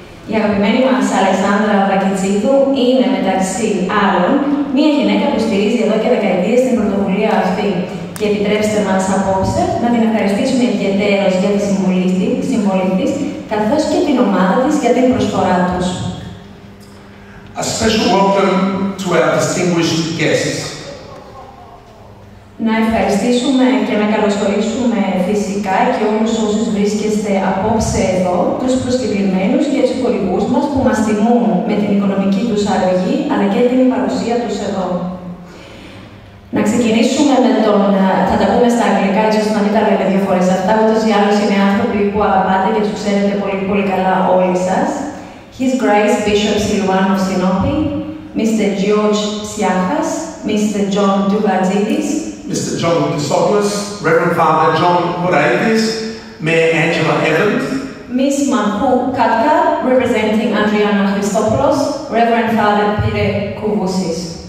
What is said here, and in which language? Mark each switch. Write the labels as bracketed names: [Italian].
[Greek] Η αγαπημένη μας Αλεξάνδρα Βρακιτσίδου είναι μεταξύ άλλων μία γυναίκα που στηρίζει εδώ και δεκαετίες την πρωτοβουλία αυτή. Και επιτρέψτε μας απόψε να την ευχαριστήσουμε ιδιαιτέρως για τη συμβολή της, καθώς και την ομάδα της για την προσφορά τους. [English] A special welcome to our distinguished guests. [Greek] Να ευχαριστήσουμε και να καλωσορίσουμε φυσικά και όλους όσους βρίσκεστε απόψε εδώ, τους προσκεκλημένους και τους χορηγούς μας που μας τιμούν με την οικονομική τους αλλαγή, αλλά και την παρουσία τους εδώ. Να ξεκινήσουμε με τον... θα τα πούμε στα αγγλικά, έτσι ώστε να μην τα λέμε δύο φορές αυτά, ούτως ή άλλως είναι άνθρωποι που αγαπάτε και τους ξέρετε πολύ πολύ καλά όλοι σας. [English] His Grace Bishop Silvano Sinopi, Mr. George Siakas, Mr. John Dugatidis, Mr. John Kisopoulos, Reverend Father John Koraitis, Mayor Angela Evans, Ms. Manpou Katka, representing Andriana Christopoulos, Reverend Father Peter Kouvousis.